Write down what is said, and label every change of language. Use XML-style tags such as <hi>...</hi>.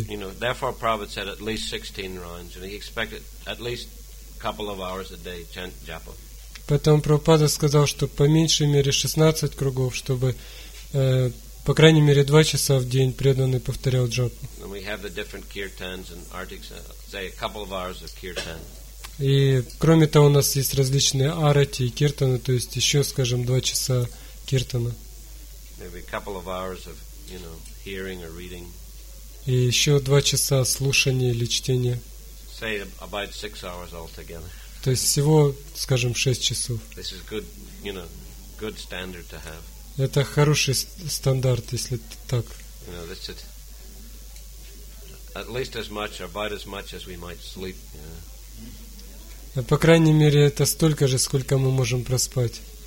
<en>But, you know, therefore Prabhupada said at least 16 rounds, and he expected at least a couple of hours a day chant japa.</en> <ru>Поэтому Прабхупада сказал, что по меньшей мере 16 кругов, чтобы по крайней мере 2 часа в день преданный повторял джапу.</ru> <en>And we have the different kirtans and artics, say a couple of hours of kirtan.</en> <ru>И кроме того, у нас есть различные арати и киртаны, то есть еще, скажем, 2 часа киртана.</ru> <en>Maybe a couple of hours of, you know, hearing or reading.</en> <ru>И еще 2 часа слушания или чтения.</ru> <en>Say about 6 hours altogether.</en> <ru>То есть всего, скажем, 6 часов.</ru> <en>This is good, you know, good standard to have.</en> <ru>Это хороший стандарт, если так.</ru> <en>You know, that's it. At least as much or about as much as we might sleep. Yeah.</en> <ru>По крайней мере, это столько же, сколько мы можем проспать.</ru>